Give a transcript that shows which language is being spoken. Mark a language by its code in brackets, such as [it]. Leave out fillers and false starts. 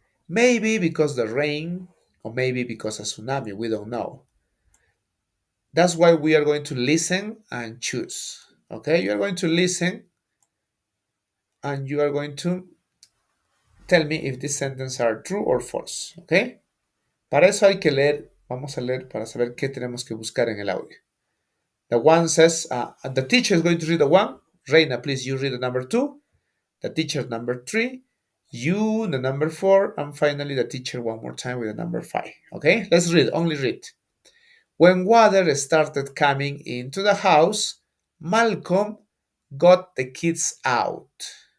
[en] Maybe because the rain, or maybe because a tsunami, we don't know. That's why we are going to listen and choose. Okay, you are going to listen and you are going to tell me if these sentences are true or false. [es] Okay, para eso hay que leer. Vamos a leer para saber qué tenemos que buscar en el audio. [en] The one says, the teacher is going to read the one. Reina, please, you read the number two. The teacher, number three. You, the number four. And finally, the teacher one more time with the number five. Okay, let's read, only read. When water started coming into the house, Malcolm got the kids out.